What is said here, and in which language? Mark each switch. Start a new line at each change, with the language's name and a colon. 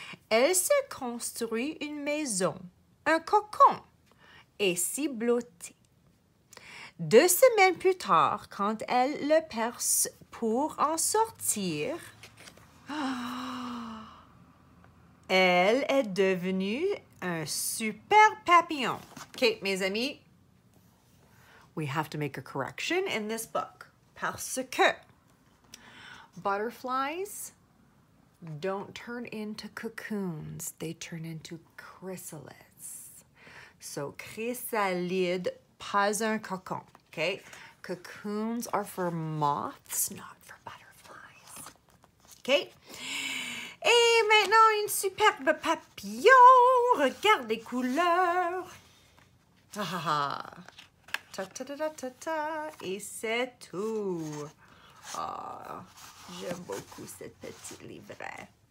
French: Elle se construit une maison, un cocon, et s'y blottit. Deux semaines plus tard, quand elle le perce pour en sortir, elle est devenue un super papillon.
English: OK,
French: mes amis,
English: we have to make a correction in this book.
French: Parce que
English: butterflies don't turn into cocoons. They turn into chrysalids. So,
French: chrysalide, pas un cocon.
English: Okay? Cocoons are for moths, not for butterflies. Okay?
French: Et maintenant, une superbe papillon. Regarde les couleurs. Ah, ta ta ta ta ta ta. Et c'est tout. Ah, j'aime beaucoup ce petit livret.